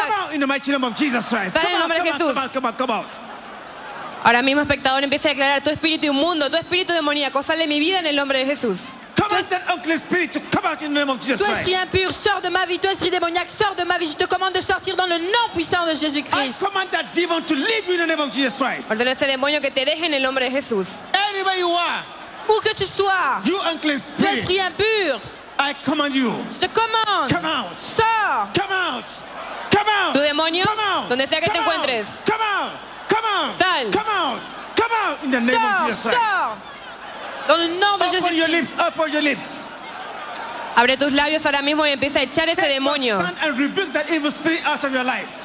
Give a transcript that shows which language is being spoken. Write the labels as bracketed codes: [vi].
[en] Come out in the mighty name of Jesus Christ. Come out, come out, come out, come out, come out. [es] Ahora mismo, espectador, empieza a declarar tu espíritu inmundo, tu espíritu demoníaco, sal de mi vida en el nombre de Jesús. [en] Command that unclean spirit to come out in the name of Jesus Christ. [fr] Tu esprit impur, sors de ma vie. Tu esprit démoniaque, sors de ma vie. Je te commande de sortir dans le nom puissant de Jésus Christ. [en] I command that demon to leave you in the name of Jesus Christ. [es] Ordeno ese demonio que te deje en el nombre de Jesús. [en] Anywhere you are, [fr] où que tu sois, [en] you unclean spirit, [fr] tu esprit impur, [en] I command you. [fr] Je te commande. [en] Come out. [fr] Sors. [en] Come out. Come out. [es] Tu demonio. [en] Come out. [es] Donde sea que te encuentres. [en] Come out. Come out. [es] Sal. [en] Come out. Come out in the name of Jesus Christ. [fr] Sors. Dans le nom de Jésus. [en] Open your lips, open your lips. [es] Abre tus labios ahora mismo y empieza a echar ese demonio. [en] Stand and rebuke that evil spirit out of your life.